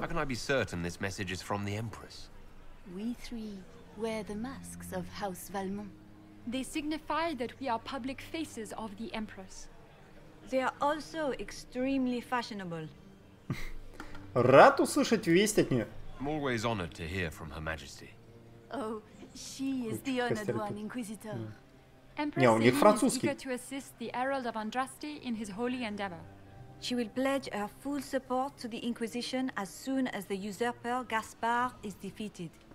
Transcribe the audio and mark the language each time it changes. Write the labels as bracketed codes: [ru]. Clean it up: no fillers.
[en] How can I be certain this message is from the Empress? We three wear the masks of House Valmont. They signify that we are public faces of the Empress. They are also extremely fashionable. [ru] Рад услышать весть от нее. [en] I'm always honored to hear from Her Majesty. Oh, she is the honored one, Inquisitor. Empress is eager to assist the Herald of Andraste in his holy endeavor. She will pledge her full support to the Inquisition as soon as the usurper Gaspar is defeated.